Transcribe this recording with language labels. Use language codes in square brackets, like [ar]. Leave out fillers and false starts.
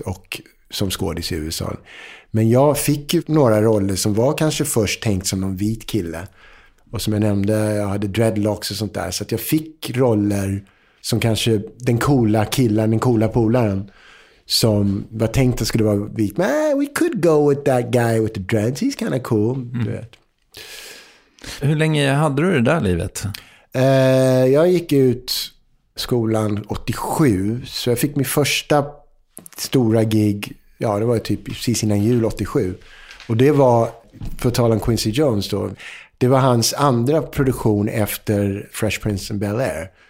[sv] Och som skådis i USA. Men jag fick ju några roller som var kanske först tänkt som någon vit kille. Och som jag nämnde, jag hade dreadlocks och sånt där. Så att jag fick roller som kanske den coola killen, den coola polaren. Som var tänkt att skulle vara vit. [en] Men we could go with that guy with the dreads. He's kind of cool. Mm. [sv] Du vet. Hur länge hade du det där livet? Jag gick ut skolan 87. Så jag fick min första stora gig. Ja, det var typ precis innan jul 87. Och det var, för att tala om Quincy Jones då, det var hans andra produktion efter Fresh Prince of Bel-Air.